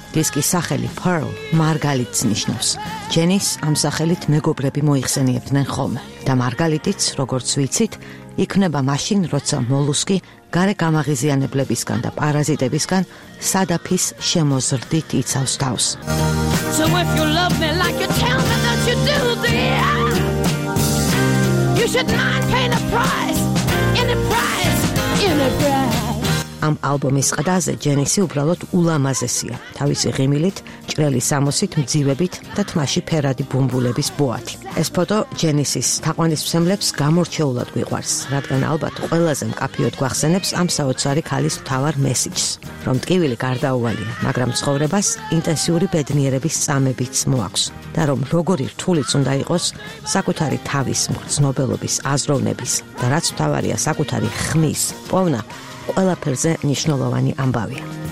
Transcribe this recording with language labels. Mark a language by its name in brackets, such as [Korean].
[Georgian] დისკის სახელი Pearl, მარგალიტს ნიშნავს. ჯენის ამ სახელით მეგობრები მოიხსენიებდნენ ხოლმე. და მარგალიტიც, როგორც ვიცით, იქნება მაშინ, როცა მოლუსკი გარე გამაღიზიანებლებისგან და პარაზიტებისგან სადაფის შემოზრდით იცავს თავს. [English] So if you love me like you tell me that you do, then you should not pay the price, any price, any price. [Georgian] ამ ალბომის ყდაზე ჯენისი უბრალოდ ულამაზესია, თავისი ღიმილით, ჭრელი სამოსით, მძივებით და თმაში ფერადი ბუმბულების ბოათი. ეს ფოტო ჯენისის თაყვანისმცემლებს გამორჩეულად გვიყვარს, რადგან ალბათ ყველაზე მკაფიოდ გვახსენებს ამ საოცარი ქალის მთავარ მესიჯს, რომ ტკივილი გარდაუვალია, მაგრამ ცხოვრებას ინტენსიური ბედნიერების წამებიც მოაქვს, და რომ როგორი რთულიც უნდა იყოს, საკუთარი თავის მგრძნობელობის, აზროვნების და რაც მთავარია საკუთარი ხმის პოვნა, ყველაფერზე მნიშვნელოვანი ამბავია.